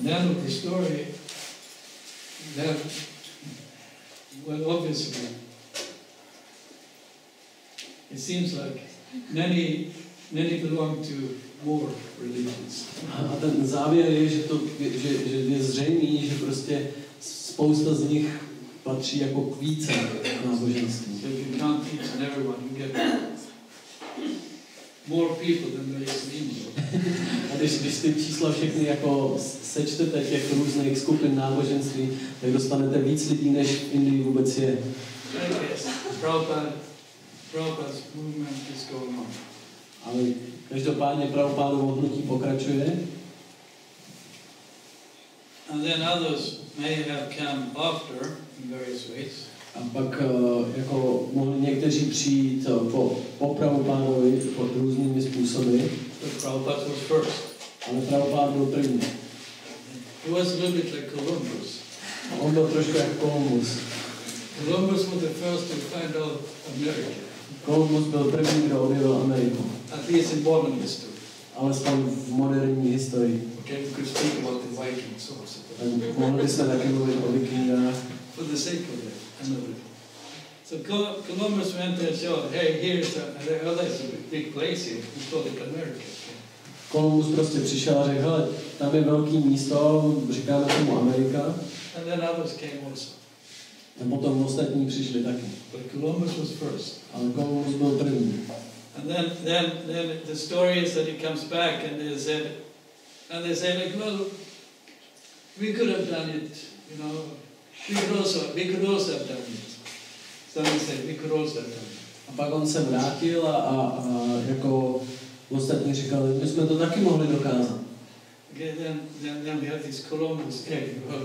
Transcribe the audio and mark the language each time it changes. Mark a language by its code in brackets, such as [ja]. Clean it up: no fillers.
[en] And then with the story, that well, obviously, it seems like many belong to more religions. [cs] A ten závěr je, že to, že je zřejmý, že prostě spousta z nich patří jako k více náboženství. [en] So if you count each and everyone, you get more people than there is in India. [cs] A když ty čísla všechny jako sečtete těch různých skupin náboženství, tak dostanete víc lidí, než v Indii vůbec je. [en] Prabhupada's movement is going on. [cs] Ale každopádně Prabhupádovo hnutí pokračuje. [en] And then others may have come after in various ways. [cs] A pak jako mohli někteří přijít po Prabhupádovi pod různými způsoby. [en] But Prabhupada was first. [cs] Ale Prabhupáda byl první. [en] He was a little bit like Columbus. [cs] A on byl trošku jako Columbus. [en] Columbus was the first to find out America. [cs] Columbus byl první, kdo objevil Ameriku. [en] At least in modern history. [cs] Alespoň v moderní historii. [en] Okay, we could speak about the Vikings or [cs] something. Mohli byste taky mluvit o Vikingách. [en] For the sake of that, another. So Columbus went there and said, hey, here's a big place here. He called it America. [cs] Columbus prostě přišel a řekl, hele, tam je velký místo, říkáme tomu Amerika. [en] And then others came also. [cs] A potom ostatní přišli taky. [en] But Columbus was first. [cs] Ale Columbus byl první. [en] And then the story is that he comes back and they say like, well, we could have done it, you know, we could also have done it. Some say we could also have done it. [cs] A pak on se vrátil a jako ostatní říkali, my jsme to taky mohli dokázat. [en] Okay, then we have this Columbus egg.